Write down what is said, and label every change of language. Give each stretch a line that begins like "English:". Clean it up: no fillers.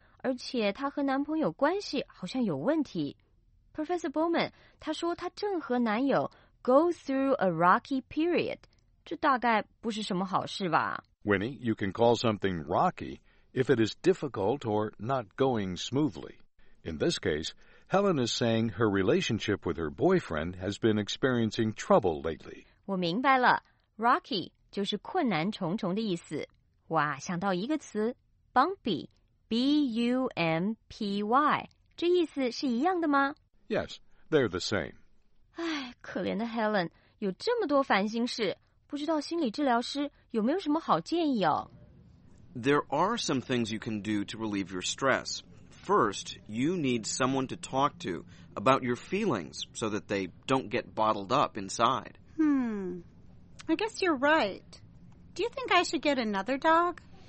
Chinese: 而且她和男朋友关系好像有问题。 Professor Bowman, 她说她正和男友
English: go through a rocky period.
Chinese: 这大概不是什么好事吧。
English: Winnie, you can call something rocky if it is difficult or not going smoothly. In this case, Helen is saying her relationship with her boyfriend has been experiencing trouble lately.
Chinese: 我明白了。Rocky 就是困难重重的意思。哇，想到一个词 ,bumpy。B-U-M-P-Y, 这意思是一样的吗?
English: Yes, they're the same.
Chinese: 唉,可怜的 Helen, 有这么多烦心事,不知道心理治疗师有没有什么好建议哦?
English: There are some things you can do to relieve your stress. First, you need someone to talk to about your feelings so that they don't get bottled up inside. I guess you're right. Do you think I should get another dog?